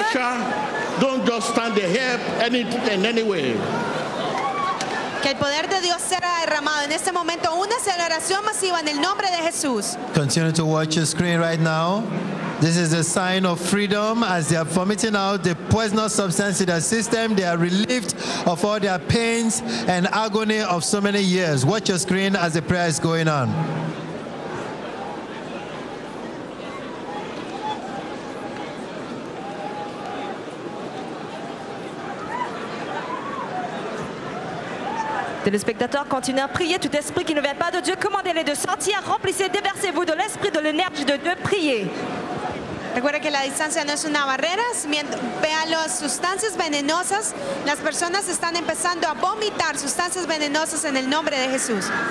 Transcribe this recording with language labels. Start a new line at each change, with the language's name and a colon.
English: Usher, don't just stand there, help any in any way.
Spanish: Que el poder de Dios será derramado en este momento. Una aceleración masiva en el nombre de Jesús.
English: Continue to watch your screen right now. This is a sign of freedom as they are vomiting out the poisonous substance in their system. They are relieved of all their pains and agony of so many years. Watch your screen as the prayer is going on.
French: Les spectateurs continuent à prier. Tout esprit qui ne vient pas de Dieu, commandez-les de sortir. Remplissez, déversez-vous de l'esprit, de l'énergie de Dieu. Priez.
Spanish: Recuerda que la distancia no es una barrera. Vea las sustancias venenosas. Las personas están empezando a vomitar sustancias venenosas en el nombre de Jesús.